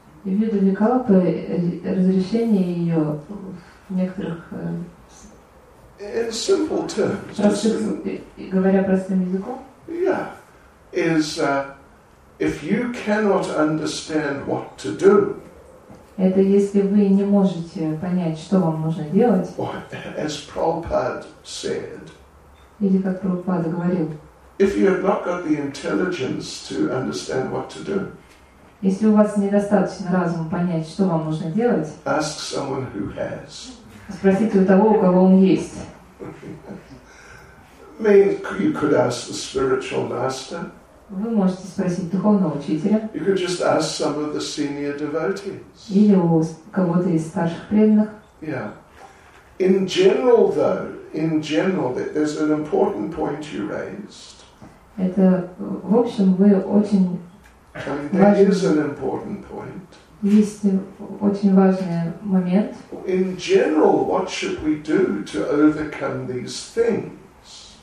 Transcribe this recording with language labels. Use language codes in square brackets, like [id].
[ru] И Vyudhavikalpa, разрешение ее в некоторых говоря простым языком. [en] Yeah, is if you cannot understand what to do. [ru] Это если вы не можете понять, что вам нужно делать. [en] Or, as Prabhupada said. [ru] Или как Прабхупада говорил. [en] If you have not got the intelligence to understand what to do. [ru] Если у вас недостаточно разума понять, что вам нужно делать, [en] ask someone who has. [ru] Спросите у того, у кого он есть. [en] You could ask the spiritual master. [ru] Вы можете спросить духовного учителя. [en] You could just ask some of the senior devotees. [ru] Или у кого-то из старших преданных. [en] Yeah. In general, though, in general, there's an important point you raised. [ru] Это, в общем, вы очень... [en] That is an important point. [ru] Есть очень важный момент. [en] In general, what should we do to overcome these things?